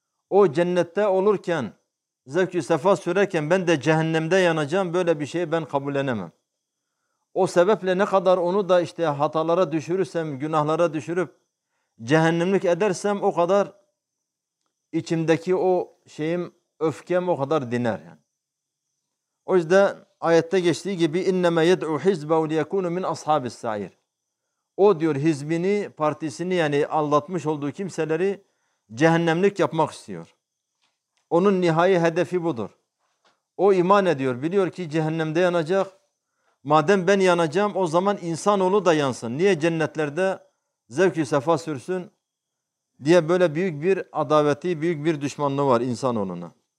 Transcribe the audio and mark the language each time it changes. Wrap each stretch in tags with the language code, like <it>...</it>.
<tr>O cennette olurken, zevk-i sefa sürerken ben de cehennemde yanacağım, böyle bir şeyi ben kabullenemem. O sebeple ne kadar onu da işte hatalara düşürürsem, günahlara düşürüp cehennemlik edersem o kadar içimdeki o şeyim, öfkem o kadar diner yani. O yüzden ayette geçtiği gibi</tr> <ar>اِنَّمَا يَدْعُوا حِزْبَهُ لِيَكُونُ مِنْ أَصْحَابِ السَّعِيرِ.</ar> <tr>O diyor hizbini, partisini, yani aldatmış olduğu kimseleri cehennemlik yapmak istiyor. Onun nihai hedefi budur. O iman ediyor, biliyor ki cehennemde yanacak. Madem ben yanacağım o zaman insanoğlu da yansın. Niye cennetlerde zevk-i sefa sürsün diye böyle büyük bir adaveti, büyük bir düşmanlığı var insanoğluna.</tr>